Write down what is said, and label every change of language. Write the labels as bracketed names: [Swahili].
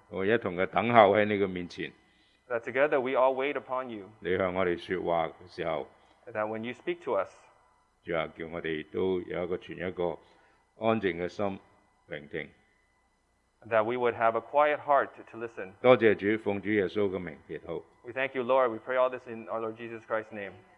[Cantonese] 我一同嘅等候喺你嘅面前。 [English] That together we all wait upon you. [Cantonese] 你向我哋说话嘅时候。 [English] That when you speak to us, [Cantonese] 主啊，叫我哋都有一个存一个安静嘅心聆听。 [English] That we would have a quiet heart to listen. [Cantonese] 多谢主，奉主耶稣嘅名祈祷。 [English] We thank you, Lord. We pray all this in our Lord Jesus Christ's name.